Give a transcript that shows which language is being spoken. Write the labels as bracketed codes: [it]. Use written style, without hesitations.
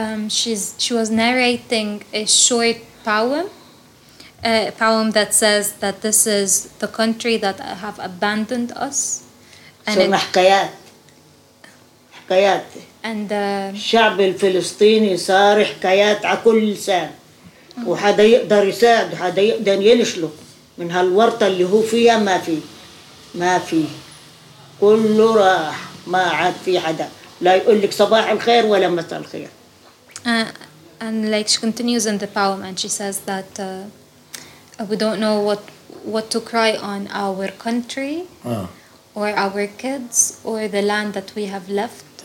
[en] She was narrating a short poem that says that this is the country that have abandoned us. And so حكايات and [ar] الشعب الفلسطيني صار حكايات على كل لسان وحدا يقدر يساعد وحدا يقدر ينشله من هالورطة اللي هو فيها ما في كله راح ما عاد في حدا لا يقول لك صباح الخير ولا مساء الخير. [en] And like she continues in the poem and she says that we don't know what to cry on our country or our kids or the land that we have left.